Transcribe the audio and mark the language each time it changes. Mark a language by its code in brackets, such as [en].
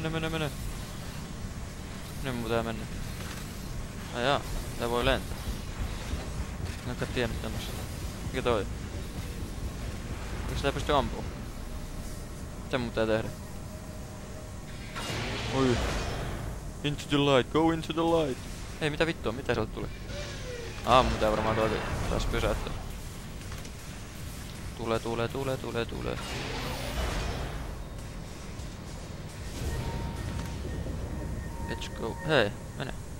[fi] Mene. Nyt mun pitää mennä. Ajaa, tää voi lentää. En oikein tiennyt tämmöstä. Mikä toi? Miks sitä ei pysty ampuu? Mitä mun pitää tehdä? Oi. [en] Into the light, go into the light! [fi] Ei, mitä vittua, mitä sieltä tuli? Ah, mun pitää varmaan toi taas pysäyttää. Tulee. [en] Let's go. [fi] Hei, mene.